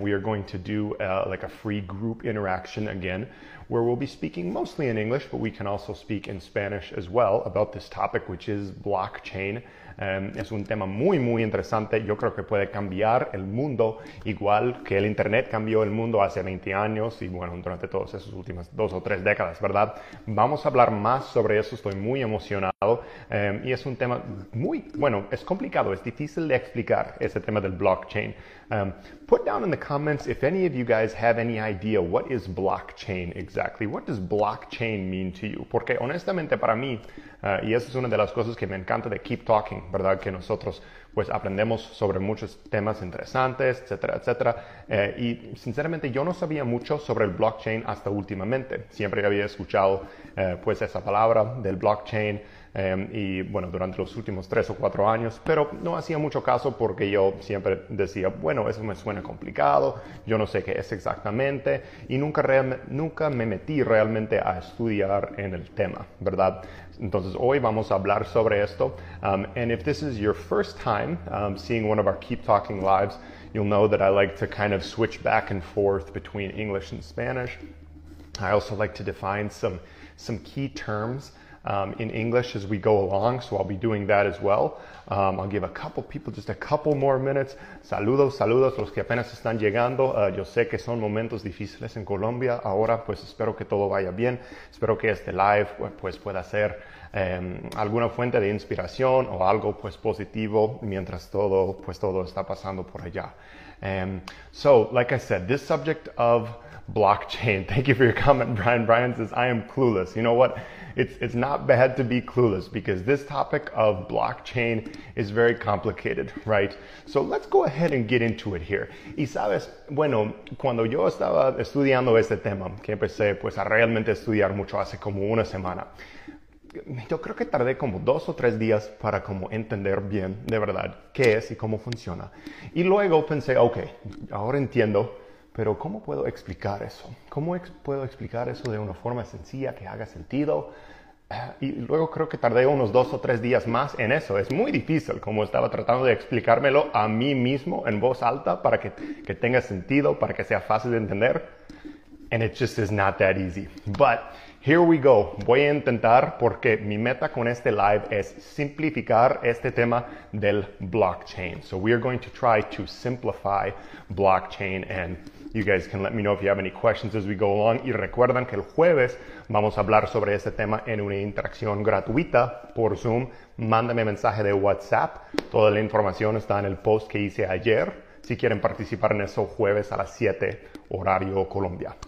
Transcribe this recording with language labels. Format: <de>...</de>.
<en>we are going to do like a free group interaction again, where we'll be speaking mostly in English, but we can also speak in Spanish as well about this topic, which is blockchain.</en> <es>Es un tema muy, muy interesante. Yo creo que puede cambiar el mundo igual que el Internet cambió el mundo hace 20 años y, bueno, durante todas esas últimas dos o tres décadas, ¿verdad? Vamos a hablar más sobre eso. Estoy muy emocionado. Y es un tema muy, bueno, es complicado. Es difícil de explicar ese tema del blockchain.</es> <en>Put down in the comments if any of you guys have any idea what is blockchain exactly. What does blockchain mean to you?</en> <es>Porque honestamente para mí, y esa es una de las cosas que me encanta de Keep Talking, ¿verdad? Que nosotros pues aprendemos sobre muchos temas interesantes, etcétera, etcétera. Y sinceramente yo no sabía mucho sobre el blockchain hasta últimamente. Siempre había escuchado pues esa palabra del blockchain. Y bueno, durante los últimos 3 o 4 años, pero no hacía mucho caso porque yo siempre decía, bueno, eso me suena complicado, yo no sé qué es exactamente, y nunca me metí realmente a estudiar en el tema, ¿verdad? Entonces hoy vamos a hablar sobre esto.</es> <en>And if this is your first time seeing one of our Keep Talking Lives, you'll know that I like to kind of switch back and forth between English and Spanish. I also like to define some key terms in English as we go along, so I'll be doing that as well. I'll give a couple people just a couple more minutes.</en> <es>Saludos, saludos, los que apenas están llegando. Yo sé que son momentos difíciles en Colombia ahora, pues espero que todo vaya bien. Espero que este live pues pueda ser alguna fuente de inspiración o algo pues positivo mientras todo pues todo está pasando por allá.</es> <en>So, like I said, this subject of blockchain. Thank you for your comment, Brian. Brian says, I am clueless. You know what? It's not bad to be clueless because this topic of blockchain is very complicated, right? So let's go ahead and get into it here.</en> <es>Y sabes, bueno, cuando yo estaba estudiando este tema, que empecé pues a realmente estudiar mucho hace como una semana, yo creo que tardé como dos o tres días para como entender bien de verdad qué es y cómo funciona. Y luego pensé, okay, ahora entiendo. Pero ¿cómo puedo explicar eso? ¿Cómo puedo explicar eso de una forma sencilla que haga sentido? Y luego creo que tardé unos dos o tres días más en eso. Es muy difícil, como estaba tratando de explicármelo a mí mismo en voz alta para que tenga sentido, para que sea fácil de entender.</es> <en>And it just is not that easy. But here we go.</en> <es>Voy a intentar porque mi meta con este live es simplificar este tema del blockchain.</es> <en>So we are going to try to simplify blockchain, and you guys can let me know if you have any questions as we go along.</en> <es>Y recuerdan que el jueves vamos a hablar sobre este tema en una interacción gratuita por Zoom. Mándame mensaje de WhatsApp. Toda la información está en el post que hice ayer. Si quieren participar en eso, jueves a las 7, horario Colombia.</es>